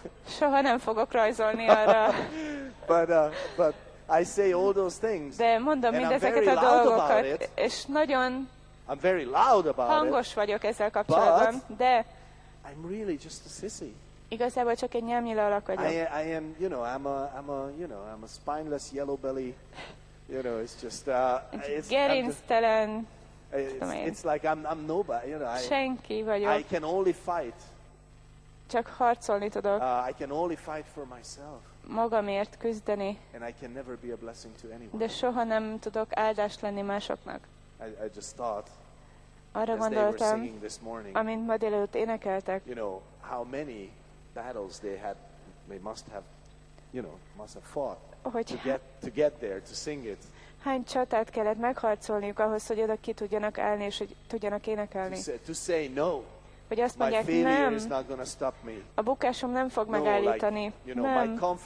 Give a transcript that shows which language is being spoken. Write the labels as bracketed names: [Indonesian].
[Hungarian] Soha nem fogok rajzolni arra. [English] but I say all those things. [Hungarian] De mondom mindezeket a dolgokat. És nagyon [English] I'm very loud about [Hungarian] hangos [English] it, [Hungarian] vagyok ezzel kapcsolatban. De [English] I'm really just a sissy. [Hungarian] Igazából csak egy nyelvnyilalak vagyok. [English] I am, you know, I'm a, you know, I'm a spineless yellow belly. You know, it's just it's [Hungarian] gerinctelen. [English] It's like I'm nobody, you know. [Hungarian] Senki vagyok. [English] I can only fight. [Hungarian] Csak harcolni tudok. [English] I can only fight for myself. [Hungarian] Magamért küzdeni. [English] And I can never be a blessing to anyone. [Hungarian] De soha nem tudok áldás lenni másoknak. [English] I just thought, [Hungarian] arra [English] as [Hungarian] gondoltam, [English] they were singing this morning, [Hungarian] amint ma délelőtt énekeltek, [English] you know, how many battles they had, they must have, you know, must have fought to get there to sing it. [Hungarian] Hány csatát kellett megharcolniuk ahhoz, hogy oda ki tudjanak állni és hogy tudjanak énekelni? [English] To say no. [Hungarian] hogy azt mondják, nem, a bukásom nem fog megállítani, nem.